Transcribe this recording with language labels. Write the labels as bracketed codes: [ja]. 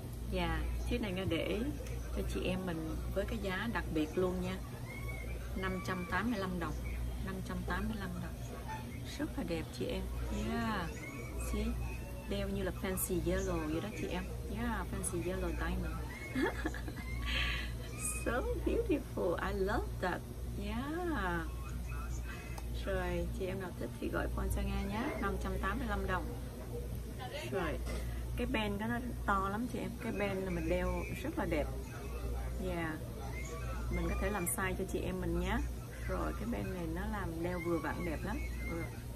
[vi] Dạ, chiếc này Nga để cho chị em mình với cái giá đặc biệt luôn nha. 585 đồng. 585 đồng. Rất là đẹp chị em. Yeah. Chị đeo như là fancy yellow vậy đó chị em. [en] Yeah, fancy yellow diamond. So beautiful, I love that. Yeah. [vi] Rồi, chị em nào thích thì gọi phone cho Nga nhé. 585 đồng. Rồi, cái band đó nó to lắm chị em. Cái band là mình đeo rất là đẹp. Yeah. Mình có thể làm size cho chị em mình nhé. Rồi, cái band này nó làm đeo vừa vặn đẹp lắm. Yes.